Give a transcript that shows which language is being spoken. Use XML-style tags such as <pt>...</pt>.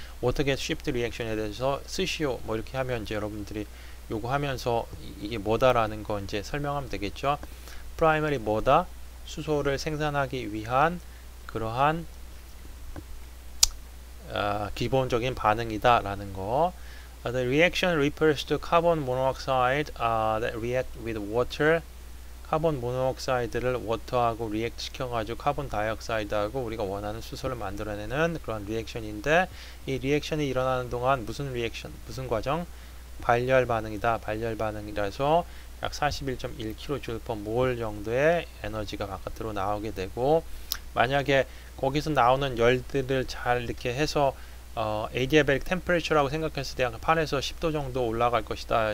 <ko>어떻게 shift reaction에 대해서 쓰시오 뭐 이렇게 하면 이제 여러분들이 요구하면서 이게 뭐다라는 거 이제 설명하면 되겠죠. primary 뭐다? 수소를 생산하기 위한 그러한 기본적인 반응이다 라는 거.</ko> <en>The reaction refers to carbon monoxide that react with water.</en> <ko>카본 모노옥사이드를 워터하고 리액트 시켜가지고 카본 다이옥사이드하고 우리가 원하는 수소를 만들어내는 그런 리액션인데 이 리액션이 일어나는 동안 무슨 리액션, 무슨 과정? 발열 반응이다. 발열 반응이라서 약 41.1kJ/mol 정도의 에너지가 바깥으로 나오게 되고 만약에 거기서 나오는 열들을 잘 이렇게 해서 에디아베릭 템퍼레처라고 생각했을 때 약 8에서 10도 정도 올라갈 것이다.</ko>